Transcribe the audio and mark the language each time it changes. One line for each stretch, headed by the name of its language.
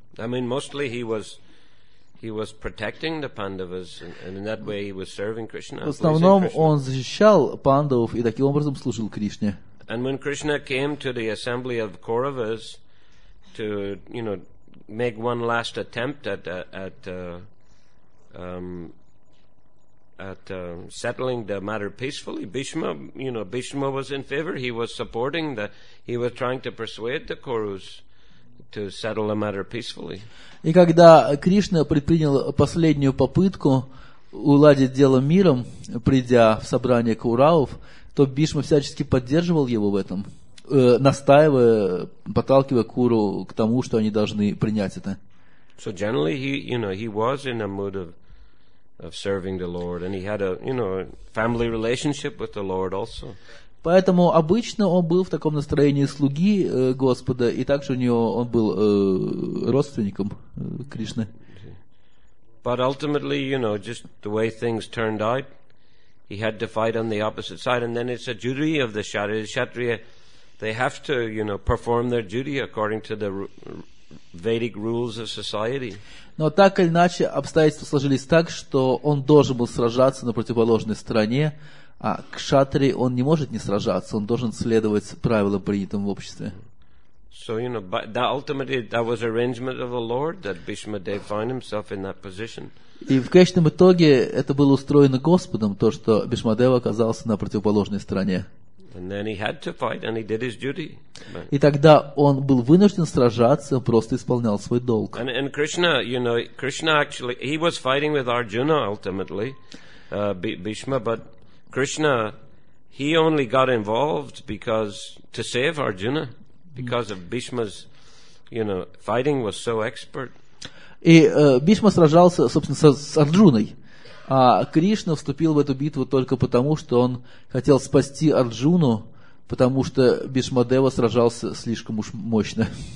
English: I mean, mostly he was protecting the Pandavas, and in that way he was serving Krishna.
Russian: В основном он защищал Пандавов и таким образом служил Кришне.
English: And when Krishna came to the assembly of Kauravas to, you know, make one last attempt at settling the matter peacefully, Bhishma was in favor. He was trying to persuade the Kauravas to settle the matter peacefully.
Russian: И когда Кришна предпринял последнюю попытку уладить дело миром, придя в собрание Кауравов, то Бишма всячески поддерживал его в этом, настаивая, подталкивая Куру к тому, что они должны принять это.
English: So generally he was in a mood of serving the Lord, and he had a, you know, family relationship with the Lord also.
Russian: Поэтому обычно он был в таком настроении слуги Господа, и также у него он был родственником Кришны.
English: But ultimately, you know, just the way things turned out, he had to fight on the opposite side, and then it's a duty of the Kshatriya. They have to, you know, perform their duty according to the Vedic rules of society.
Russian: Но так или иначе, обстоятельства сложились так, что он должен был сражаться на противоположной стороне, а кшатри, он не может не сражаться, он должен следовать правилам, принятым в обществе.
English: So, you know, but that ultimately, that was arrangement of the Lord, that Bhishma Dev found himself in that position.
Russian: И в конечном итоге это было устроено Господом, то, что Бхишма Дев оказался на противоположной стороне.
English: And then he had to fight, and he did his duty.
Russian: И тогда он был вынужден сражаться, просто исполнял свой долг.
English: And Krishna, you know, Krishna actually, he was fighting with Arjuna ultimately, Bhishma, but Krishna, he only got involved because to save Arjuna, because of Bhishma's, you know, fighting was so expert.
Russian: И Бхишма сражался, собственно, с Арджуной, а Кришна вступил в эту битву только потому, что он хотел спасти Арджуну, потому что Бхишмадева сражался слишком уж мощно.